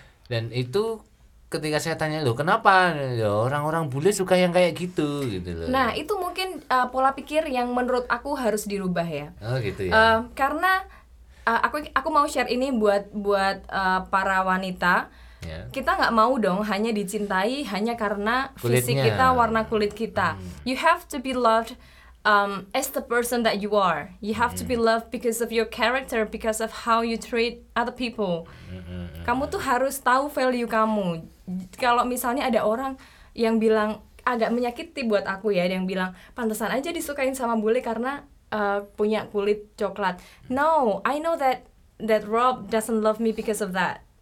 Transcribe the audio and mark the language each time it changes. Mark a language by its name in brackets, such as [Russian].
[Indonesian] Dan itu ketika saya tanya, loh kenapa ya, orang-orang bule suka yang kayak gitu loh. Nah, itu mungkin pola pikir yang menurut aku harus dirubah ya. Oh gitu ya. Karena aku mau share ini buat para wanita. Ya. Kita nggak mau dong hanya dicintai hanya karena kulitnya. Fisik kita, warna kulit kita. [English] You have to be loved as the person that you are. You have to be loved because of your character, because of how you treat other people. [Indonesian] Kamu tuh harus tahu value kamu. Kalau misalnya ada orang yang bilang, agak menyakiti buat aku ya, yang bilang, pantesan aja disukain sama bule karena punya kulit coklat. [English] No, I know that Rob doesn't love me because of that.